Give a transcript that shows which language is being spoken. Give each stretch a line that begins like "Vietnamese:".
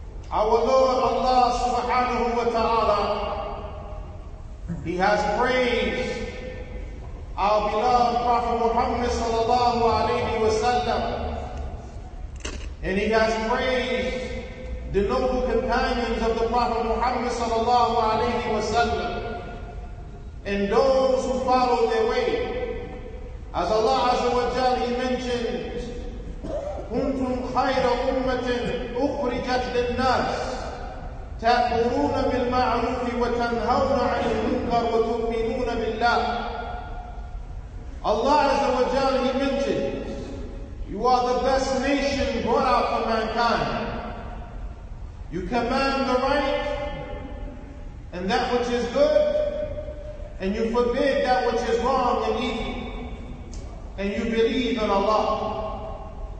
English: Our Lord Allah subhanahu wa ta'ala, He has praised our beloved Prophet Muhammad sallallahu alayhi wa sallam, and He has praised the noble companions of the Prophet Muhammad sallallahu alayhi wa sallam, and those who followed their way. As Allah azza wa jalla, He mentioned,
Arabic: كنتم خير أمة أخرجت للناس تأمرون بالمعروف وتنهون عن المنكر وتؤمنون بالله.
English: Allah Azza wa Jalla, He mentions, you are the best nation brought out for mankind. You command the right and that which is good, and you forbid that which is wrong and evil, and you believe in Allah.